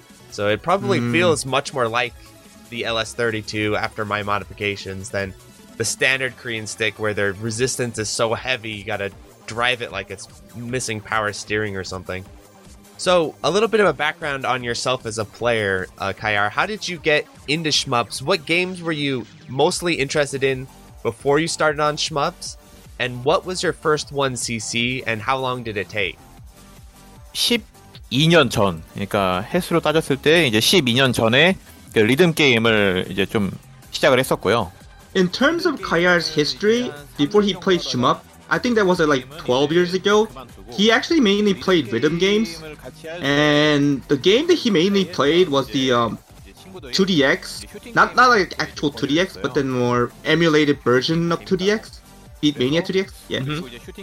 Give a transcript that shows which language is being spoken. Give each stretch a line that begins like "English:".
English: So it probably feels much more like the LS32 after my modifications than the standard Korean stick, where their resistance is so heavy, you gotta drive it like it's missing power steering or something. So, a little bit of a background on yourself as a player, Kayar. How did you get into shmups? What games were you mostly interested in before you started on shmups? And what was your first 1cc, and how long did it take?
Korean: 12년 전, 그러니까 해수로 따졌을 때 이제 12년 전에 그 리듬 게임을 이제 좀 시작을 했었고요.
English: In terms of Kayar's history, before he played shmup, I think that was like 12 years ago. He actually mainly played rhythm games, and the game that he mainly played was the 2DX. Not like actual 2DX, but the more emulated version of 2DX. Beatmania 2DX? Yeah. Mm-hmm.